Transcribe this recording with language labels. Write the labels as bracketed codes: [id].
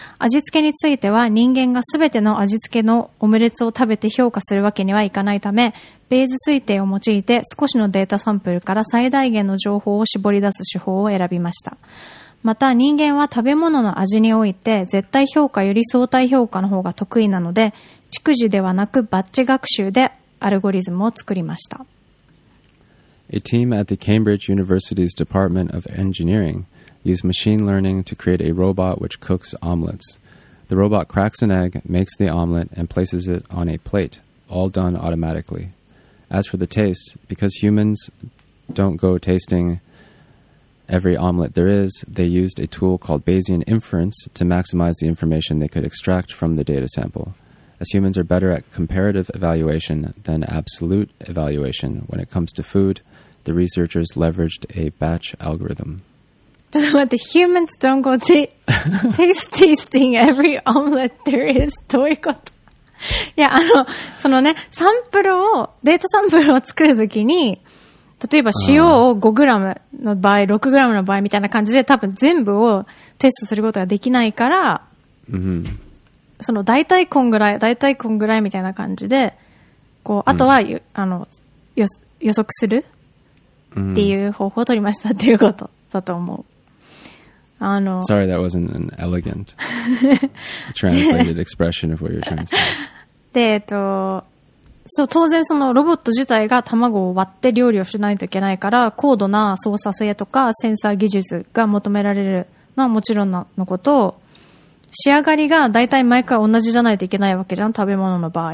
[ja] 味付けについては人間が全ての味付けのオムレツを食べて評価するわけにはいかないため、ベイズ推定を用いて少しのデータサンプルから最大限の情報を絞り出す手法を選びました。また人間は食べ物の味において絶対評価より相対評価の方が得意なので、逐次ではなくバッチ学習でアルゴリズムを作りました。 [en] A team at the Cambridge University's Department of Engineering used machine learning to create a robot which cooks omelets. The robot cracks an egg, makes the omelet, and places it on a plate, all done automatically. As for the taste, because humans don't go tasting every omelet there is, they used a tool called Bayesian inference to maximize the information they could extract from the data sample. As humans are better at comparative evaluation than absolute evaluation when it comes to food, the researchers leveraged a batch algorithm. What, the humans don't go tasting every omelet there is? [ja] どういうこと? いや、あの、そのね、サンプルを、データサンプルを作るときに、例えば塩を 5g の場合、6g の場合みたいな感じで多分全部をテストすることができないから、 mm-hmm. その大体こんぐらい、大体こんぐらいみたいな感じで、こう、あとは、mm-hmm. あの、予測するっていう方法を取りましたっていうことだと思う。あの、 [en] Sorry, that wasn't an elegant translated expression of what you're trying to say. [ja] で、そう、当然そのロボット自体が卵を割って料理をしないといけないから、高度な操作性とかセンサー技術が求められるのはもちろんのこと、仕上がりが大体毎回同じじゃないといけないわけじゃん、食べ物の場合。